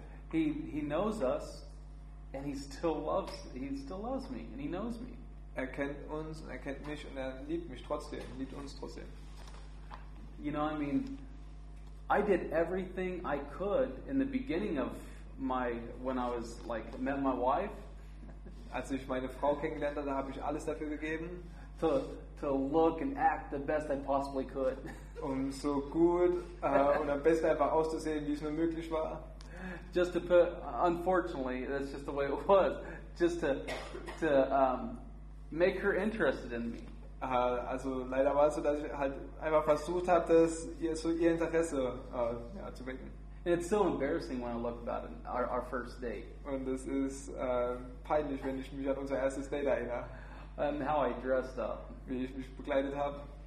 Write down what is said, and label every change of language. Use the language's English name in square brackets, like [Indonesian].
[English] he knows us and he still loves me and he knows me. [German] Er kennt uns, er kennt mich und er liebt mich trotzdem, liebt uns trotzdem. [English] You know, I mean, I did everything I could in the beginning of my when I was like met my wife. [German] Als ich meine Frau kennengelernt habe, da habe ich alles dafür gegeben. [English] To look and act the best I possibly could. [German] Um so gut und am besten einfach auszusehen, wie es nur möglich war. [English] Just to put, unfortunately, that's just the way it was. Just to make her interested in me. [German] Also leider war es so, dass ich halt einfach versucht habe, das ihr so ihr Interesse ja, zu wecken. [English] And it's so embarrassing when I look about it, our first date. [German] Und es ist peinlich, wenn ich mich an unser erstes Date erinnere. [English] And how I dressed up. [German] Wie ich mich bekleidet habe.